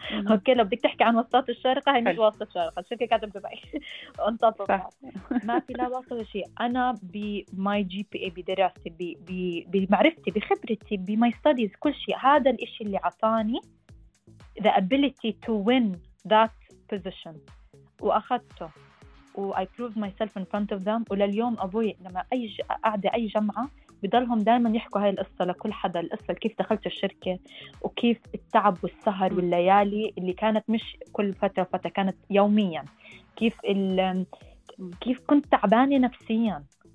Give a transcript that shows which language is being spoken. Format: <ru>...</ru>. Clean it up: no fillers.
<ar>أوكي لو بدك تحكي عن وسط الشارقة هي مش وسط الشارقة، الشركة كانت بدبي. انتظر ما في لا وسط ولا شيء. أنا بماي جي بي اي بدراستي بمعرفتي بخبرتي بماي ستاديز كل شيء، هذا الإشي اللي عطاني</ar> <en>the ability to win that position</en> <ar>وأخذته</ar> <en>و I proved myself in front of them.</en> <ar>ولليوم أبوي لما أي قاعدة أي جمعة بضلهم دائما يحكوا هاي القصة لكل حدا، القصة كيف دخلت الشركة وكيف التعب والسهر والليالي اللي كانت مش كل فترة فترة، كانت يوميا، كيف كيف كنت تعبانة نفسيا.</ar>